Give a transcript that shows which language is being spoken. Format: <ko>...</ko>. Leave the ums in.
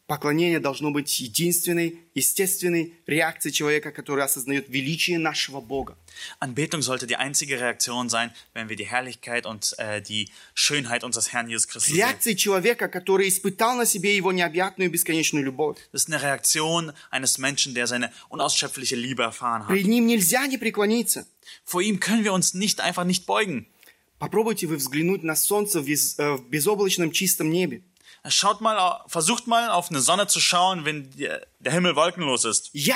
<ru>Поклонение должно быть единственной, естественной реакцией человека, который осознает величие нашего Бога.</ru> <de>Anbetung sollte die einzige Reaktion sein, wenn wir die Herrlichkeit und äh, die Schönheit unseres Herrn Jesus Christus Reaktion sehen.</de> <ru>Реакция человека, который испытал на себе его необъятную бесконечную любовь.</ru> <de>Das ist eine Reaktion eines Menschen, der seine unausschöpfliche Liebe erfahren hat.</de> <ru>Перед ним нельзя не преклониться.</ru> <de>Vor ihm können wir uns nicht einfach nicht beugen.</de> <ru>Попробуйте вы взглянуть на солнце в безоблачном чистом небе.</ru> <de>Schaut mal, versucht mal auf eine Sonne zu schauen, wenn der Himmel wolkenlos ist.</de>